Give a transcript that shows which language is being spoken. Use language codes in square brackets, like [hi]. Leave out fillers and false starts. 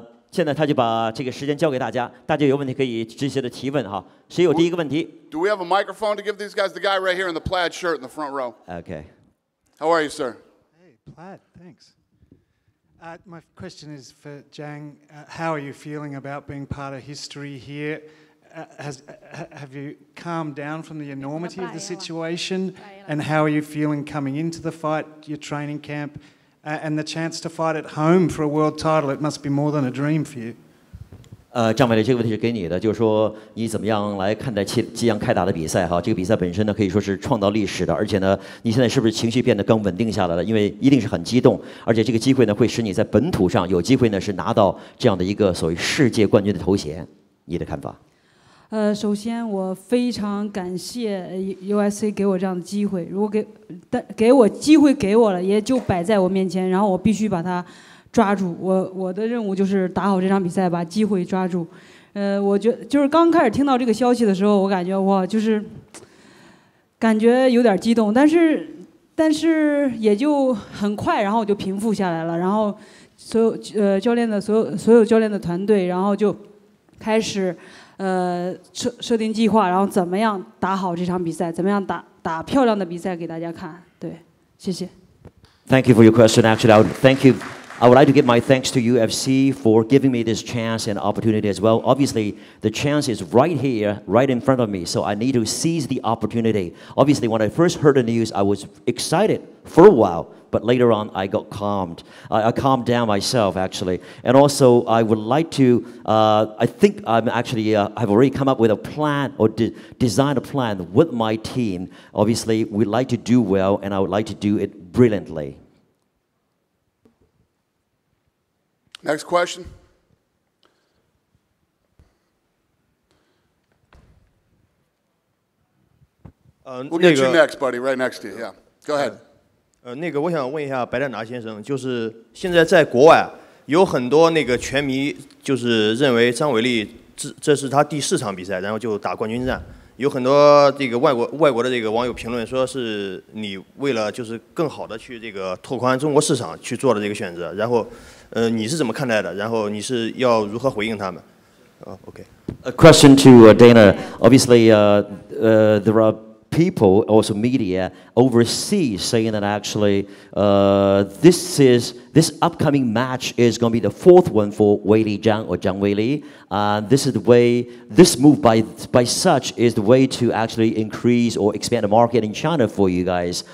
[zh] 现在他就把这个时间交给大家，大家有问题可以直接的提问哈。谁有第一个问题 [en] ？Do we have a microphone to give these guys? The guy right here in the plaid shirt in the front row. Okay. How are you, sir? Hey, plaid. Thanks. My question is for Jang. How are you feeling about being part of history here? Have you calmed down from the enormity of the situation? And how are you feeling coming into the fight? Your training camp? And the chance to fight at home for a world title, it must be more than a dream for you. [zh] 张伟丽，这个问题是给你的，就是说你怎么样来看待即将开打的比赛哈？这个比赛本身呢，可以说是创造历史的，而且呢，你现在是不是情绪变得更稳定下来了？因为一定是很激动，而且这个机会呢，会使你在本土上有机会呢，是拿到这样的一个所谓世界冠军的头衔。你的看法？首先我非常感谢 USC 给我这样的机会，如果给我机会给我了，也就摆在我面前，然后我必须把它抓住，我的任务就是打好这场比赛，把机会抓住。我觉得就是刚开始听到这个消息的时候，我感觉哇，就是感觉有点激动，但是也就很快，然后我就平复下来了。然后所有教练的所有教练的团队，然后就开始设定计划，然后怎么样打好这场比赛，怎么样打漂亮的比赛给大家看。对，谢谢。 [en] Thank you for your question. I would like to give my thanks to UFC for giving me this chance and opportunity as well. Obviously, the chance is right here, right in front of me, so I need to seize the opportunity. Obviously, when I first heard the news, I was excited for a while, but later on, I got calmed. I calmed down myself, actually. And also, I would like to, I think I'm actually, I've already come up with a plan or designed a plan with my team. Obviously, we'd like to do well, and I would like to do it brilliantly. Next question. We'll get you next, buddy, right next to you. Yeah. Go ahead. [zh] 那个我想问一下白展达先生，就是现在在国外有很多那个拳迷就是认为张伟丽这是他第四场比赛，然后就打冠军战。有很多这个外国的这个网友评论说是你为了就是更好的去这个拓宽中国市场去做的这个选择，然后你是怎么看待的，然后你是要如何回应他们。 [en] A question to Dana. Obviously, there are people, also media overseas saying that actually this upcoming match is going to be the fourth one for Wei Li Zhang or Zhang Wei Li. This is the way, this move by such is the way to actually increase or expand the market in China for you guys.